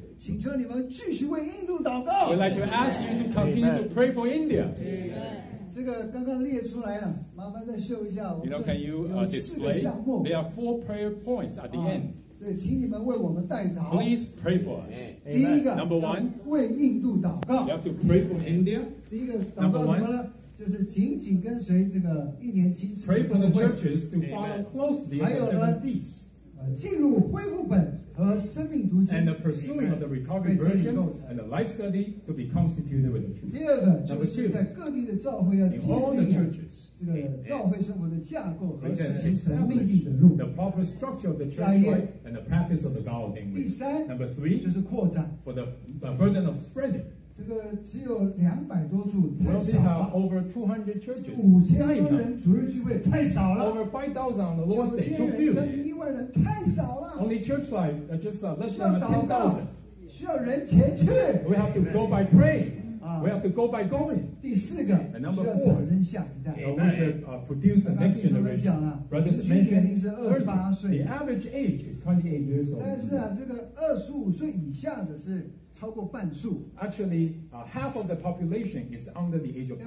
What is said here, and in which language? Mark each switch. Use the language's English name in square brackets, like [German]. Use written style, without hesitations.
[Chinese] 请求你们继续为印度祷告 [English] We'd like to ask you to continue to pray for India. [Chinese] 这个刚刚列出来了麻烦再秀一下 [English] You know, can you display? There are four prayer points at the end. [Chinese] 这个请你们为我们代祷 [English] Please pray for us. [Chinese] 第一个 [English] Number one, [Chinese] 为印度祷告 [English] You have to pray for India. [Chinese] 第一个祷告什么呢就是紧紧跟随这个一年七次 [English] Pray for the churches to follow closely the seven feasts. [Chinese] 进入恢复本和生命读经 [English] And the pursuing of the recovery version and the life study to be constituted with the truth. [Chinese] 第二个就是在各地的教会要建立 [English] In all the churches. [Chinese] 这个教会生活的架构和神圣命定的路 [English] The proper structure of the church life and the practice of the God ordained [Chinese] way. 第三 [English] Number three, [Chinese] 就是扩展 [English] For the burden of spreading. [Chinese] 这个只有200多处太少 [English] 了 have over 200 churches [Chinese] 5000多人主日聚会太少了 [English] over 5000 on the Lord's Day [Chinese] 9000人将近1万人太少了 [English] only church life just less than 10,000 [Chinese] 需要人前去 [English] we have to go by praying we have to go by going [Chinese] 第四个需要产生下一代 [English] we should produce the next generation brothers mentioned the average age is 28 years old [Chinese] 但是啊这个25岁以下的是超过半数 [English] Actually, half of the population is under the age of 25.